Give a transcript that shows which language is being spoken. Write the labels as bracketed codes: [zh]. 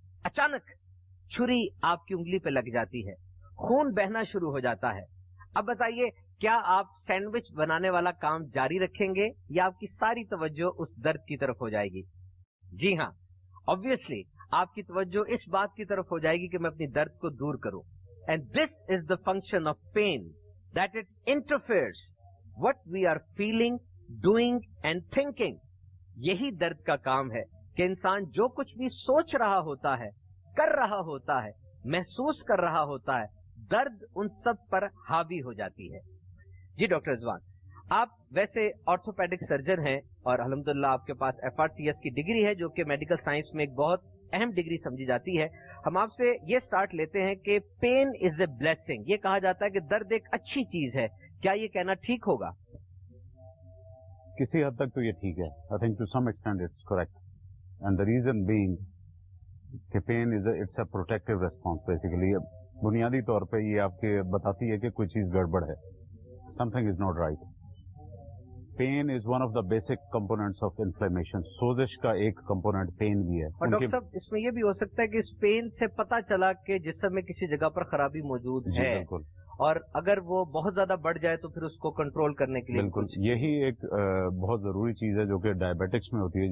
[ur] اچانک چھری آپ کی انگلی پہ لگ جاتی ہے, خون بہنا شروع ہو جاتا ہے. اب بتائیے, کیا آپ سینڈوچ بنانے والا کام جاری رکھیں گے یا آپ کی ساری توجہ اس درد کی طرف ہو جائے گی؟ جی ہاں, obviously آپ کی توجہ اس بات کی طرف ہو جائے گی کہ میں اپنی درد کو دور کروں. [en] And this is the function of pain, that it interferes what we are feeling, doing and thinking. [ur] یہی درد کا کام ہے کہ انسان جو کچھ بھی سوچ رہا ہوتا ہے, کر رہا ہوتا ہے, محسوس کر رہا ہوتا ہے, درد ان سب پر حاوی ہو جاتی ہے. جی ڈاکٹر رضوان, آپ ویسے آرتھوپیڈک سرجن ہیں اور الحمدللہ آپ کے پاس ایف آر سی ایس کی ڈگری ہے, جو کہ میڈیکل سائنس میں ایک بہت اہم ڈگری سمجھی جاتی ہے. ہم آپ سے یہ سٹارٹ لیتے ہیں کہ [en] pain is a blessing, [ur] یہ کہا جاتا ہے کہ درد ایک اچھی چیز ہے, کیا یہ کہنا ٹھیک ہوگا؟ کسی حد تک تو یہ ٹھیک ہے. [en] I think to some extent it's correct. And the reason being, کہ pain is a, it's a protective response basically. [ur] بنیادی طور پہ یہ آپ کے بتاتی ہے کہ کوئی چیز گڑبڑ ہے, [en] something is not right. Pain is one of the basic components of inflammation. [ur] سوزش کا ایک کمپوننٹ پین بھی ہے. اور ڈاکٹر صاحب, اس میں یہ بھی ہو سکتا ہے کہ اس پین سے پتا چلا کہ جسم میں کسی جگہ پر خرابی موجود ہے, بالکل, اور اگر وہ بہت زیادہ بڑھ جائے تو پھر اس کو کنٹرول کرنے کے لیے, بالکل, یہی ایک بہت ضروری چیز ہے جو کہ ڈائبیٹکس میں ہوتی ہے.